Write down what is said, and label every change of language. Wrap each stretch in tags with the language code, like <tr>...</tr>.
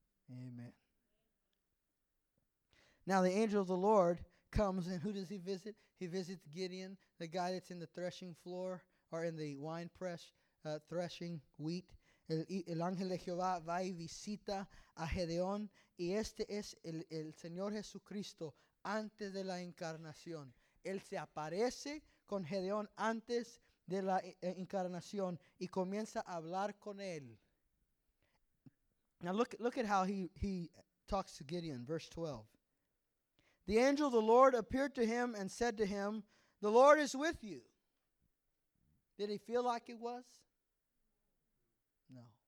<en>Amen. Now the angel of the Lord comes, and who does he visit? He visits Gideon, the guy that's in the threshing floor, or in the wine press, threshing wheat.</en> <es>El ángel de Jehová va y visita a Gedeón, y este es el Señor Jesucristo antes de la encarnación. Él se aparece con Gedeón antes de la encarnación y comienza a hablar con él.</es> <en>Now look at how he talks to Gideon, verse 12. The angel of the Lord appeared to him and said to him, the Lord is with you. Did he feel like it was? No.</en>